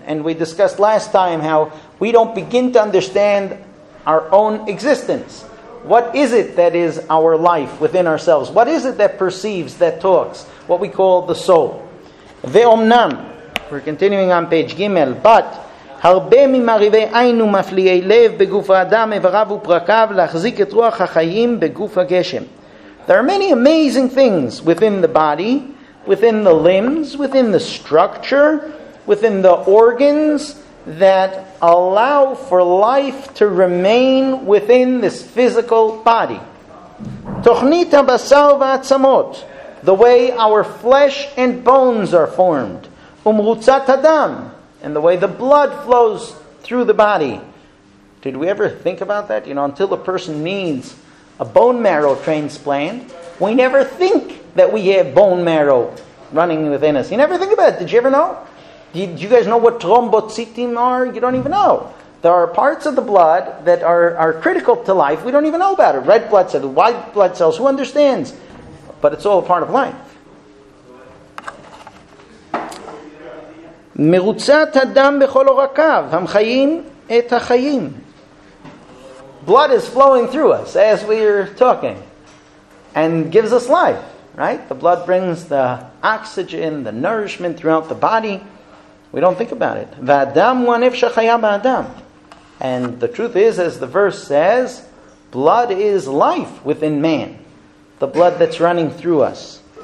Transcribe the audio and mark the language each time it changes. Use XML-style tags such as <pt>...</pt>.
<en>And we discussed last time how we don't begin to understand our own existence. What is it that is our life within ourselves? What is it that perceives, that talks? What we call the soul. Ve'omnam. We're continuing on page Gimel.</en> <he>But הרבה ממריבי עין ומפליאי לב בגוף האדם איבריו ופרקיו להחזיק את רוח החיים בגוף הגשם.</he> <en>There are many amazing things within the body, within the limbs, within the structure, within the organs that allow for life to remain within this physical body.</en> <he>תוכנית הבשר והעצמות,</he> <en>the way our flesh and bones are formed.</en> <he>ומרוצת הדם,</he> <en>and the way the blood flows through the body. Did we ever think about that? You know, until a person needs a bone marrow transplant, we never think that we have bone marrow running within us. You never think about it. Did you ever know? Did you guys know what thrombocytes are? You don't even know. There are parts of the blood that are critical to life. We don't even know about it. Red blood cells, white blood cells, who understands? But it's all a part of life.</en> <he>מרוצת הדם בכל עורקיו, המחיים את החיים.</he> <en>Blood is flowing through us as we are talking and gives us life, right? The blood brings the oxygen, the nourishment throughout the body. We don't think about it.</en> <he>והדם הוא הנפש החיה באדם.</he> <en>And the truth is, as the verse says, blood is life within man, the blood that's running through us.</en>